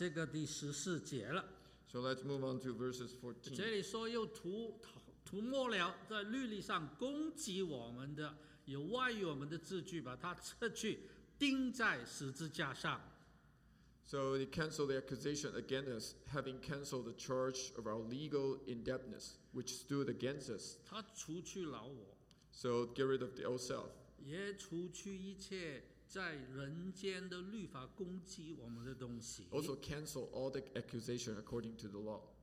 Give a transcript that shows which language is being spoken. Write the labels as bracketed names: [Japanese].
[Chinese] 好，然后请你看下去，刚才我们讲了这个第十四节了。 [English] So let's move on to verses 14. [Chinese] 这里说又涂抹了在律例上攻击我们的有外于我们的字句，把它撤去，钉在十字架上。 [English] So they cancel the accusation against us, having canceled the charge of our legal indebtedness, which stood against us. [Chinese] 他除去老我, [English] so get rid of the old self. [Chinese] 也除去一切在人间的律法攻击我们的东西, [English] also cancel all the accusation according to the law.